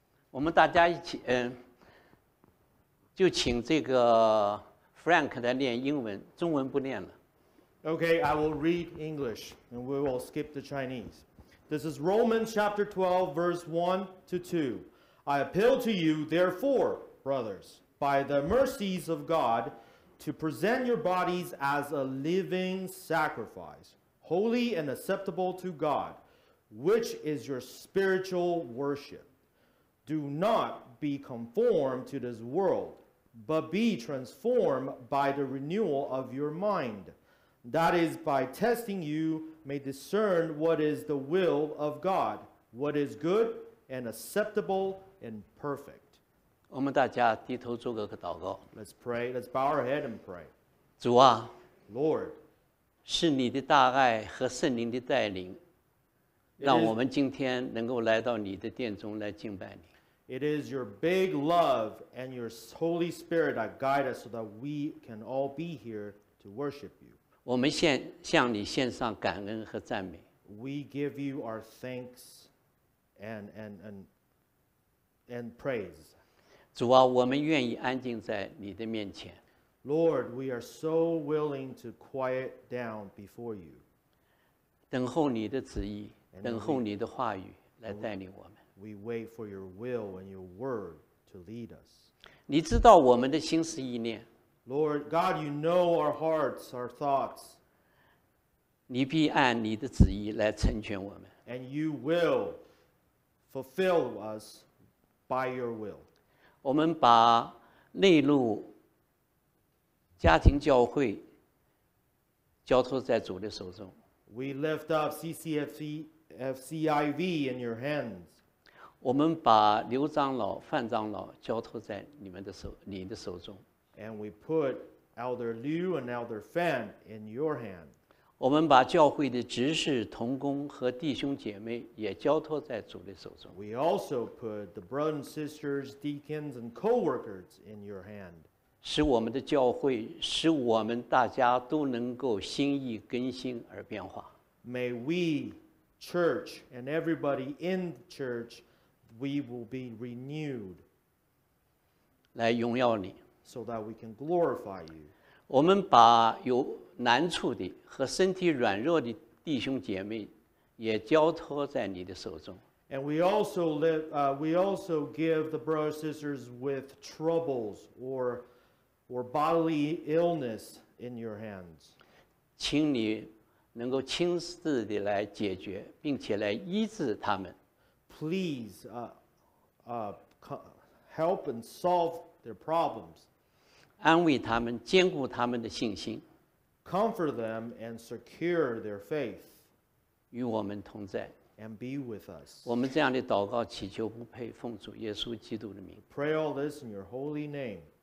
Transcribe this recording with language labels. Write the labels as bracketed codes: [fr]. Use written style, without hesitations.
[zh] 我们大家一起，就请这个 Frank 来念英文，中文不念了。 [en] Okay, I will read English, and we will skip the Chinese. This is Romans chapter 12, verse 1 to 2. I appeal to you, therefore, brothers, by the mercies of God, to present your bodies as a living sacrifice, holy and acceptable to God, which is your spiritual worship. Do not be conformed to this world, but be transformed by the renewal of your mind. That is, by testing you may discern what is the will of God, what is good and acceptable and perfect. [zh] 我们大家低头做个祷告。 [en] Let's pray. Let's bow our head and pray. [zh] 主啊， [en] Lord, [zh] 是你的大爱和圣灵的带领，让我们今天能够来到你的殿中来敬拜你。 [en] It is your big love and your Holy Spirit that guide us so that we can all be here to worship you. [zh] 我们献向你献上感恩和赞美。 [en] We give you our thanks and praise. [zh] 主啊，我们愿意安静在你的面前。 [en] Lord, we are so willing to quiet down before you. [zh] 等候你的旨意，等候你的话语来带领我们。 [en] We wait for your will and your word to lead us. [zh] 你知道我们的心思意念。 [en] Lord, God, you know our hearts, our thoughts. [zh] 你必按你的旨意来成全我们。 [en] And you will fulfill us by your will. [zh] 我们把内陆家庭教会交托在主的手中。 [en] We lift up CCIV in your hands. [zh] 我们把刘长老、范长老交托在你们的手、你的手中。 [en] And we put Elder Liu and Elder Fan in your hand. [zh] 我们把教会的执事、同工和弟兄姐妹也交托在主的手中。 [en] We also put the brothers and sisters, deacons and co-workers in your hand. [zh] 使我们的教会，使我们大家都能够心意更新而变化。 [en] May we, church and everybody in the church,We will be renewed. [zh] 来荣耀你。 [en] So that we can glorify you. [zh] 我们把有难处的和身体软弱的弟兄姐妹也交托在你的手中。 [en] And we also give the brothers and sisters with troubles or bodily illness in your hands. [zh] 请你能够亲自的来解决，并且来医治他们。 [en] Please, help and solve their problems. [zh] 安慰他们，坚固他们的信心。 [en] Comfort them and secure their faith. [zh] 与我们同在。 [en] And be with us. [zh] 我们这样的祷告祈求不配奉主耶稣基督的名。 [en] Pray all this in your holy name.